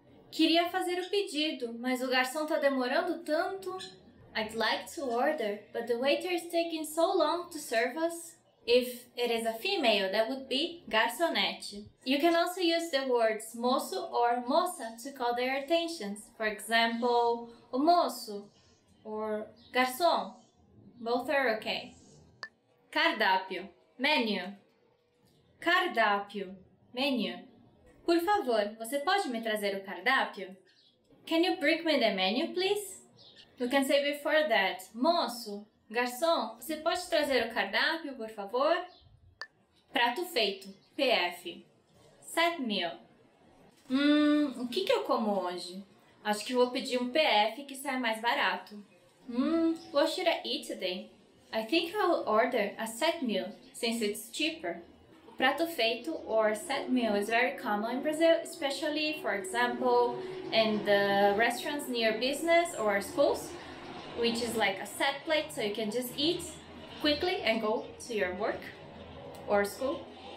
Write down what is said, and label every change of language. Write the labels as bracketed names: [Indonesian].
[Portuguese] Queria fazer o pedido, mas o garçom tá demorando tanto. [English] I'd like to order, but the waiter is taking so long to serve us. If it is a female, that would be garçonete. You can also use the words moço or moça to call their attentions. For example, o moço or garçom. Both are okay. Cardápio. Menu. Cardápio. Menu. [Portuguese] Por favor, você pode me trazer o cardápio? [English] Can you bring me the menu, please? You can say before that, [Portuguese] moço, garçom, você pode trazer o cardápio, por favor? Prato feito, PF. Set meal. O que, que eu como hoje? Acho que vou pedir um PF que sai mais barato. [English] What should I eat today? I think I'll order a set meal, since it's cheaper. Prato feito, or set meal, is very common in Brazil, especially, for example, in the restaurants near business or schools, which is like a set plate, so you can just eat quickly and go to your work or school.